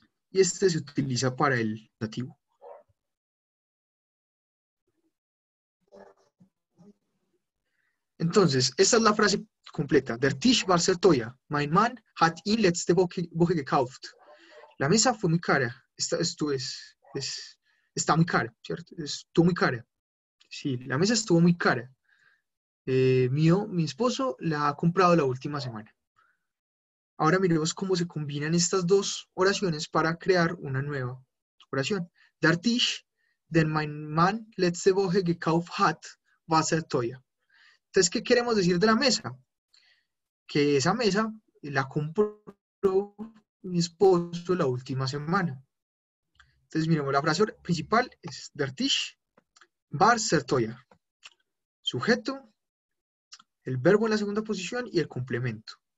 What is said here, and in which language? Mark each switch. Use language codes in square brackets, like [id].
[es] Y este se utiliza para el nativo. Entonces, esta es la frase completa. [de] Der Tisch war sehr teuer. Mein Mann hat ihn letzte Woche gekauft. [es] La mesa fue muy cara. Está muy cara, ¿cierto? Estuvo muy cara. Sí, la mesa estuvo muy cara. Mi esposo la ha comprado la última semana. Ahora miremos cómo se combinan estas dos oraciones para crear una nueva oración. [de] Der Tisch, den mein Mann letzte Woche gekauft hat, war sehr teuer. [es] Entonces, ¿qué queremos decir de la mesa? Que esa mesa la compró mi esposo la última semana. Entonces, miremos, la frase principal es [de] Der Tisch war sehr teuer. [es] Sujeto, el verbo en la segunda posición y el complemento.